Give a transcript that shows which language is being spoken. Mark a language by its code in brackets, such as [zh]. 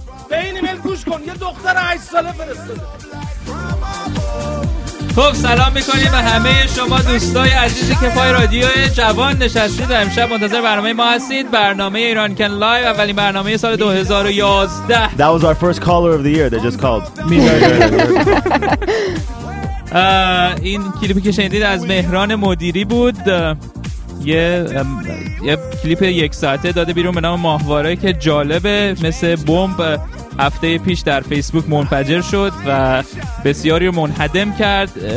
[fa] به این ایمیل گوش کن، یه دختر 8 ساله فرستاده. خب سلام میکنیم به همه شما دوستای عزیزی که پای رادیو جوان نشستید و امشب منتظر برنامه ما هستید. برنامه ایران کن لایو، اولین برنامه سال 2011. [en] That was our first caller of the year, they just called. [fa] این کلیپی که شنیدید از مهران مدیری بود. یه کلیپ یک ساعته داده بیرون به نام ماهواره که جالبه، مثل بمب هفته پیش در فیسبوک منفجر شد و بسیاری رو منهدم کرد.